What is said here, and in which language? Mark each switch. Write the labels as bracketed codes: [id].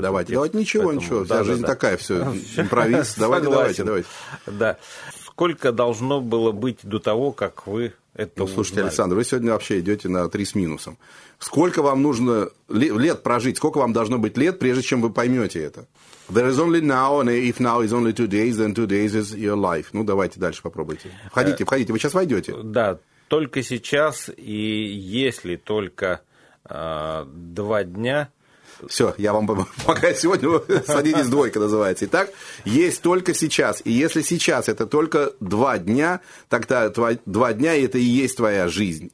[ru] Давайте, давайте, ничего, поэтому, ничего. Вся жизнь такая, все, импровиз. Давайте, давайте, давайте. Да. Сколько должно было быть до того, как вы это узнали? Ну, слушайте, Александр, вы сегодня вообще идете на 3 с минусом. Сколько вам нужно лет прожить, сколько вам должно быть лет, прежде чем вы поймете это? [en] There is only now, and if now is only 2 days, then 2 days is your life. [ru] Ну, давайте дальше попробуйте. Входите, входите, вы сейчас войдете. Да, только сейчас, и если только 2 дня... Все, я вам пока сегодня садитесь двойка называется. Итак, есть только сейчас. И если сейчас это только 2 дня, тогда 2 дня это и есть твоя жизнь.